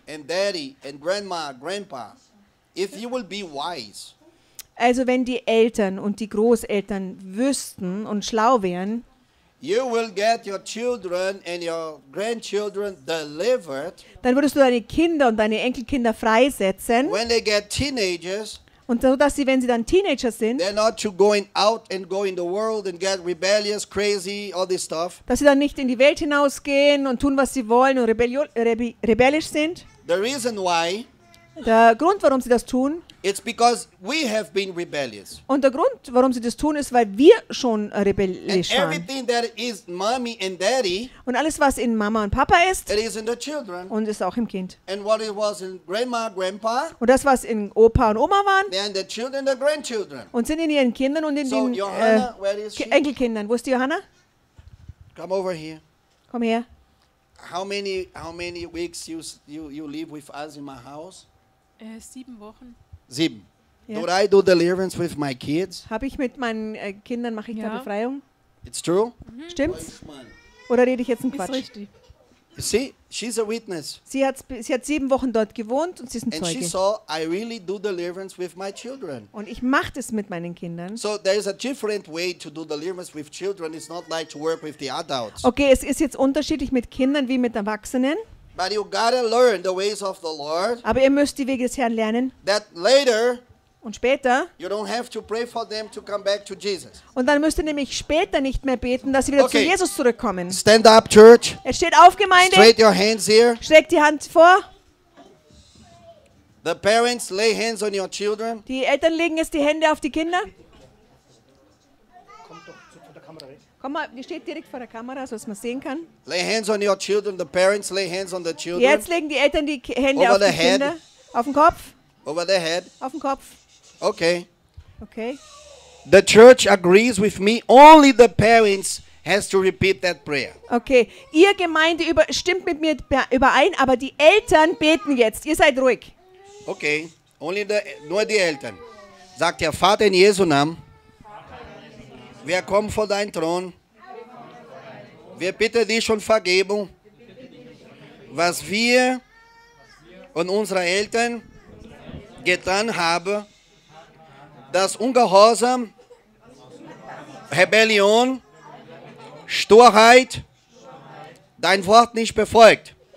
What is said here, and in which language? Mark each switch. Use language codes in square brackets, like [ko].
[en] and daddy, and grandma, grandpa, if you will be wise. [de] Also wenn die Eltern und die Großeltern wüssten und schlau wären. [en] You will get your children and your grandchildren delivered. [de] Dann würdest du deine Kinder und deine Enkelkinder freisetzen. [en] When they get teenagers. [de] Und so, dass sie, wenn sie dann Teenager sind. [en] They're not to going out and go in the world and get rebellious, crazy, all this stuff. [de] Dass sie dann nicht in die Welt hinausgehen und tun, was sie wollen und rebellisch sind. [en] The reason why. [de] Der Grund, warum sie das tun. [en] It's because we have been rebellious. [de] Und der Grund, warum sie das tun, ist, weil wir schon rebellisch waren. [en] And everything that is mommy and daddy. [de] Und alles, was in Mama und Papa ist. [en] It is in the children. [de] Und ist auch im Kind. [en] And what it was in grandma, grandpa. [de] Und das, was in Opa und Oma waren. [en] And the children, the grandchildren. [de] Und sind in ihren Kindern und in [en] so [de] den Enkelkindern. Wo ist die Johanna? [en] Come over here. [de] Komm her. [en] How many weeks you live with us in my house? [de] 7 Wochen. [en] Sieben. Yeah. Do I do deliverance with my kids? [de] Habe ich mit meinen Kindern mache ich ja. da Befreiung? [en] It's true. [de] Mm-hmm. Stimmt's? Oder rede ich jetzt einen Quatsch? [en] You see, she's a witness. [de] Sie hat 7 Wochen dort gewohnt und sie ist ein [en] and And she saw I really do deliverance with my children. [de] Und ich mache das mit meinen Kindern. [en] So there is a different way to do deliverance with children. It's not like to work with the adults. [de] Okay, es ist jetzt unterschiedlich mit Kindern wie mit Erwachsenen. [en] But you gotta learn the ways of the Lord. [de] Aber ihr müsst die Wege des Herrn lernen. [en] That later. [de] Und später. [en] You don't have to pray for them to come back to Jesus. [de] Und dann müsst ihr nämlich später nicht mehr beten, dass sie wieder [en] okay. [de] zu Jesus zurückkommen. [en] Stand up, church. [de] Er steht auf, Gemeinde. [en] Straight your hands here. [de] Streckt die Hand vor. [en] The parents lay hands on your children. [de] Die Eltern legen jetzt die Hände auf die Kinder. Komm mal, wir stehen direkt vor der Kamera, so dass man sehen kann. [en] Lay hands on your children, the parents lay hands on the children. [de] Jetzt legen die Eltern die Hände [en] over [de] auf die [en] head. [de] Kinder. Auf den Kopf. [en] Over the head. [de] Auf den Kopf. [en] Okay. Okay. The church agrees with me, only the parents has to repeat that prayer. Okay. [de] Ihr Gemeinde stimmt mit mir überein, aber die Eltern beten jetzt. Ihr seid ruhig. Okay. Only nur die Eltern. Sagt der Vater in Jesu Namen. Wir kommen vor deinen Thron. Wir bitten dich um Vergebung, was wir und unsere Eltern getan haben, dass Ungehorsam, Rebellion, Sturheit dein Wort nicht befolgt.